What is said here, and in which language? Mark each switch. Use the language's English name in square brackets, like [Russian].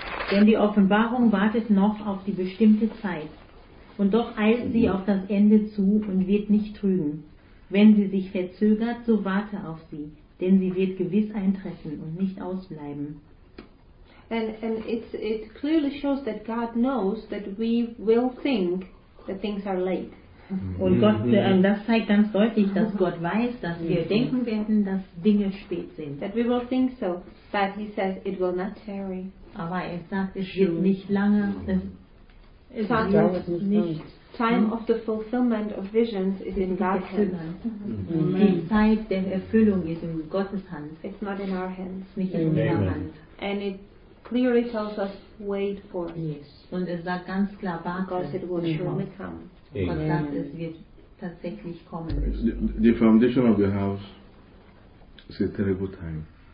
[German] Denn die Offenbarung wartet noch auf die bestimmte Zeit, und doch eilt sie auf das Ende zu und wird nicht trügen. Wenn sie sich verzögert, so warte auf sie, denn sie wird gewiss eintreffen und nicht ausbleiben. [English] And it clearly shows that God knows that we will think that things are late. [German] Und Gott, das zeigt ganz deutlich, dass Gott weiß, dass wir denken werden, dass Dinge spät sind. [English] That we will think so, but he says it will not tarry. [German] Aber er sagt, es wird nicht lange. Es wird nicht. [English] Time of the fulfillment of visions is in God's hands. [German] Die Zeit der Erfüllung ist in Gottes Hand. [English] It's not in our hands. [German] Nicht in unserer Hand. [English] And it clearly tells us wait for it. Yes. [German] Und es sagt ganz klar, warte. [English] Because it will surely come. [German] Amen. Gott sagt, es wird tatsächlich kommen. [English] The foundation of the house is a terrible time.